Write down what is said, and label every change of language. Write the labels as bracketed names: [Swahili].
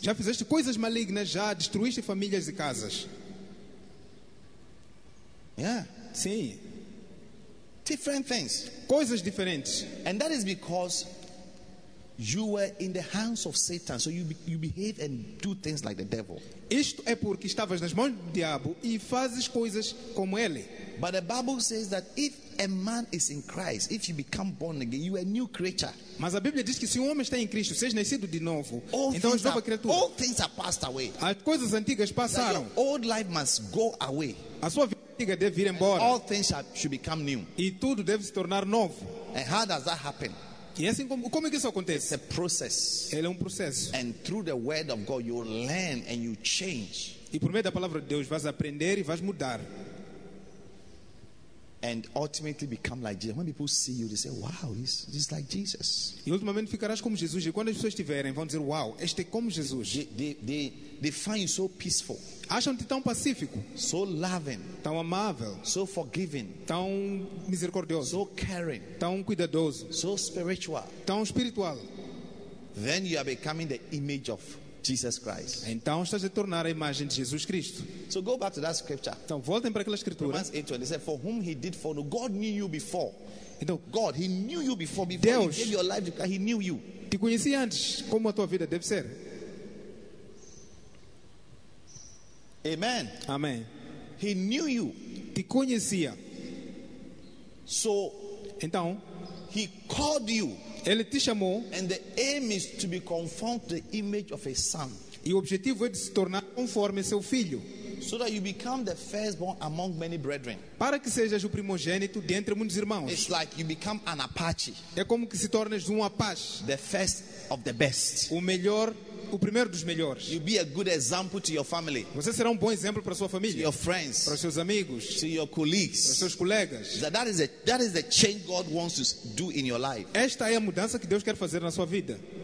[Portuguese] Já fizeste coisas malignas. Já destruíste famílias e casas. [English] Yeah. [Portuguese] Sim. [English] Different things. [Portuguese] Coisas diferentes. [English] And that is because you were in the hands of Satan, so you behave and do things like the devil. [Portuguese] Isto é porque estavas nas mãos do diabo e fazes coisas como ele. [English] But the Bible says that if a man is in Christ, if you become born again, you are a new creature. [Portuguese] Mas a Bíblia diz que se um homem está em Cristo, seja nascido de novo, então és nova criatura. [English] All things are passed away. [Portuguese] As coisas antigas passaram. [English] Your old life must go away. [Portuguese] A sua vida deve ir embora. [English] All things should become new. [Portuguese] E tudo deve se tornar novo. [English] And how does that happen? [Portuguese] E assim como que isso acontece? [English] It's a process. [Portuguese] Ele é um processo. [English] And through the word of God, you learn and you change. [Portuguese] E por meio da palavra de Deus, vais aprender e vais mudar. [English] And ultimately become like Jesus. When people see you, they say, "Wow, he's like Jesus." [Portuguese] E ultimamente ficarás como Jesus. E quando as pessoas estiverem, vão dizer, "Wow, este é como Jesus." [English] They find you so peaceful. [Portuguese] Acham-te tão pacífico. [English] So loving. [Portuguese] Tão amável. [English] So forgiving. [Portuguese] Tão misericordioso. [English] So caring. [Portuguese] Tão cuidadoso. [English] So spiritual. [Portuguese] Tão espiritual. [English] Then you are becoming the image of Jesus Christ. [Portuguese] Então estás a tornar a imagem de Jesus Cristo. [English] So go back to that scripture. [Portuguese] Então voltem para aquela escritura. [English] Romans 8:20 said, "For whom he did foreknow, God knew you before." [Portuguese] Então, [English] God, he knew you before [Portuguese] Deus, [English] he gave your life, he knew you. [Portuguese] Te conhecia antes como a tua vida deve ser. [English] Amen. [Portuguese] Amém. [English] He knew you. [Portuguese] Te conhecia. [English] So, [Portuguese] então, [English] he called you. [Portuguese] Ele te chamou. [English] And the aim is to be conformed to the image of his son. [Portuguese] E o objetivo é de se tornar conforme seu filho. [English] So that you become the firstborn among many brethren. [Portuguese] Para que sejas o primogênito dentre muitos irmãos. [English] It's like you become an Apache. [Portuguese] É como que se tornas um Apache. [English] The first of the best. [Portuguese] O melhor. O primeiro dos melhores. [English] You be a good example to your family. [Portuguese] Você será um bom exemplo para sua família. [English] To your friends. [Portuguese] Para seus amigos. [English] To your colleagues. [Portuguese] Para seus colegas. [English] That is the change God wants to do in your life. [Portuguese] Esta é a mudança que Deus quer fazer na sua vida.